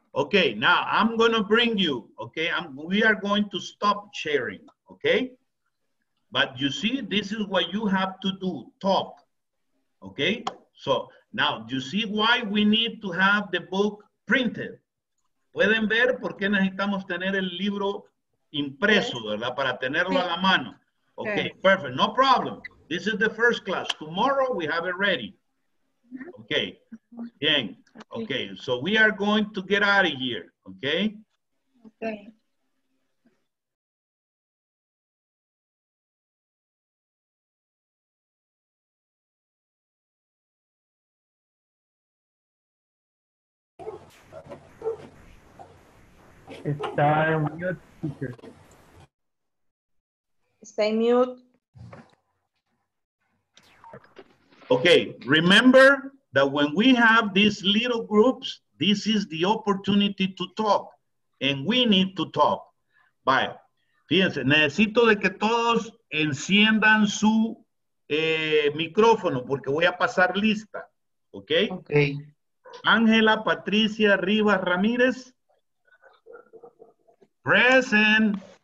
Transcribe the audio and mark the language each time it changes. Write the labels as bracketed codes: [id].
[en] Okay, now I'm going to bring you, okay? We are going to stop sharing, okay? But you see, this is what you have to do, talk, okay? So now, do you see why we need to have the book printed? [es] ¿Pueden ver por qué necesitamos tener el libro impreso, verdad? Para tenerlo a la mano. [en] Okay, perfect, no problem. This is the first class. Tomorrow we have it ready. Okay, bien. Okay, so we are going to get out of here, okay? Okay. [es] Está en mute, teacher. Está en mute. [en] Okay, remember that when we have these little groups, this is the opportunity to talk, and we need to talk. Bye. [es] Fíjense, necesito de que todos enciendan su micrófono, porque voy a pasar lista. [en] Okay? Okay. [es] Ángela Patricia Rivas Ramírez. [en] Present.